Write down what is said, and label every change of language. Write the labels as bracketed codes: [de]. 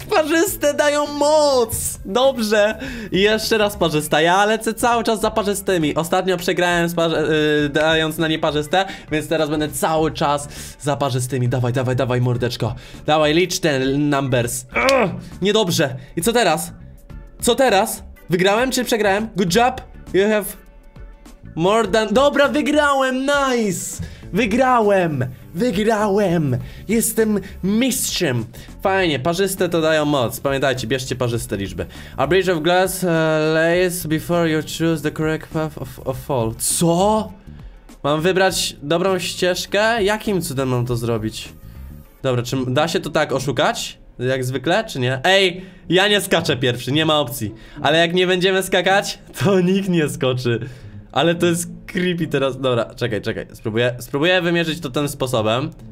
[pl] Parzyste dają moc. Dobrze. I jeszcze raz parzysta, ja lecę cały czas za parzystymi. Ostatnio przegrałem z dając na nieparzyste, więc teraz będę cały czas za parzystymi. Dawaj, dawaj, dawaj, mordeczko. Dawaj, licz ten numbers. Niedobrze, i co teraz? Co teraz? Wygrałem czy przegrałem? [en] Good job, you have more than... [pl] Dobra, wygrałem, nice. Wygrałem, wygrałem. Jestem mistrzem. Fajnie, parzyste to dają moc. Pamiętajcie, bierzcie parzyste liczby. [en] A bridge of glass lays before you choose the correct path of fall. [pl] Co? Mam wybrać dobrą ścieżkę? Jakim cudem mam to zrobić? Dobra, czy da się to tak oszukać? Jak zwykle, czy nie? Ej, ja nie skaczę pierwszy, nie ma opcji. Ale jak nie będziemy skakać, to nikt nie skoczy. Ale to jest creepy teraz, dobra, czekaj, czekaj, spróbuję, spróbuję wymierzyć to tym sposobem.